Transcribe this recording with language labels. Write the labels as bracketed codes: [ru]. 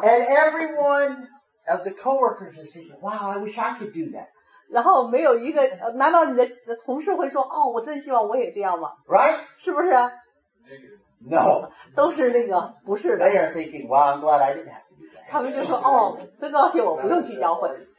[en] And everyone of the coworkers is saying, "Wow, I wish I could do that." [zh] 然后没有一个，难道你的同事会说，哦，我真希望我也这样吗？ [en] Right? [zh] 是不是？ [en] No. [zh] 都是那个不是的。 [en] They are thinking, "Wow, I'm glad I didn't have to do that." [zh] 他们就说，哦，真高兴我不用去教会。